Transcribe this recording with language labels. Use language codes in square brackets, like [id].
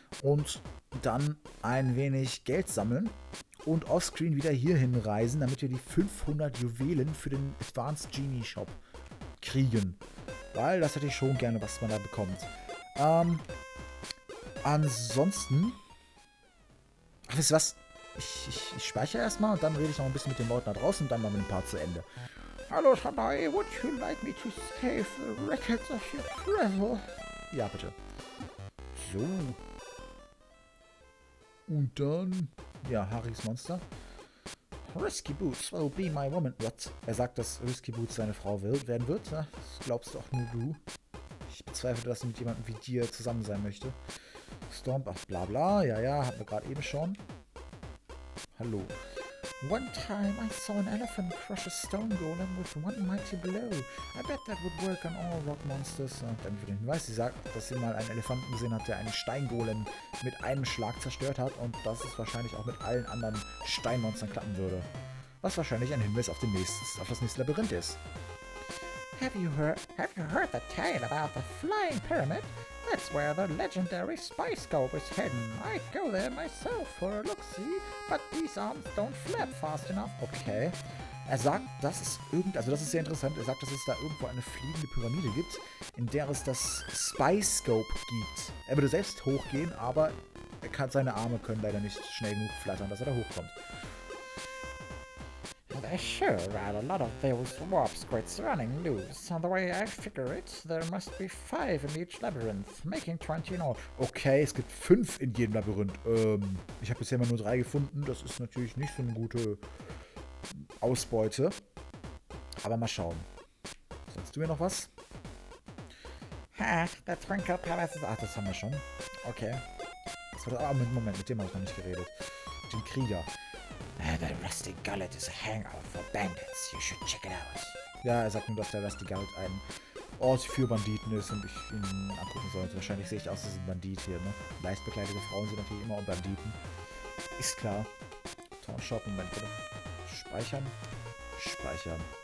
[de] Und dann ein wenig Geld sammeln und offscreen wieder hierhin reisen, damit wir die 500 Juwelen für den Advanced Genie Shop kriegen. Weil das hätte ich schon gerne, was man da bekommt. Ansonsten... Ach, wisst ihr was? Ich speichere erstmal und dann rede ich noch ein bisschen mit den Leuten da draußen und dann machen wir ein paar zu Ende. [en] Hallo, Shanae, would you like me to save the records of your treasure? [de] Ja, bitte. So... Und dann... Ja, Harrys Monster. [en] Risky Boots will be my woman. What? [de] Er sagt, dass Risky Boots seine Frau werden wird. Ne? Das glaubst doch nur du. Ich bezweifle, dass sie mit jemandem wie dir zusammen sein möchte. Stomp, ach bla bla. Ja, hatten wir gerade eben schon. Hallo. [en] One time I saw an elephant crush a stone golem with one mighty blow. I bet that would work on all rock monsters. [de] Und dann für den Hinweis, sie sagt, dass sie mal einen Elefanten gesehen hat, der einen Steingolem mit einem Schlag zerstört hat und dass es wahrscheinlich auch mit allen anderen Steinmonstern klappen würde. Was wahrscheinlich ein Hinweis auf das nächste Labyrinth ist. [en] Have you heard the tale about the flying pyramid? That's where the legendary spice globe is hidden. I go there myself for a look-see, but these arms don't flap fast enough. Okay. [de] Er sagt, dass es also das ist sehr interessant, er sagt, dass es da irgendwo eine fliegende Pyramide gibt, in der es das Spy-Scope gibt. Er würde selbst hochgehen, aber er kann, seine Arme können leider nicht schnell genug flattern, dass er da hochkommt. [en] There sure are a lot of those warp squids running loose. And the way I figure it, there must be 5 in each labyrinth, making 20 in all. [de] Okay, es gibt 5 in jedem Labyrinth. Ich habe bisher immer nur 3 gefunden. Das ist natürlich nicht so eine gute Ausbeute. Aber mal schauen. Sagst du mir noch was? Ha, der Twinkle Palace ist... Ach, das haben wir schon. Okay. Das war das, aber Moment, mit dem habe ich noch nicht geredet. Den Krieger. [en] The Rusty Gullet is a hangout for bandits. You should check it out. [de] Ja, er sagt nur, dass der Rusty Gullet ein Ort für Banditen ist und ich ihn angucken sollte. Wahrscheinlich sehe ich aus, dass ein Bandit hier, ne? Leicht bekleidete Frauen sind natürlich immer auch Banditen. Ist klar. Town Shop, Moment, oder? Speichern. Speichern.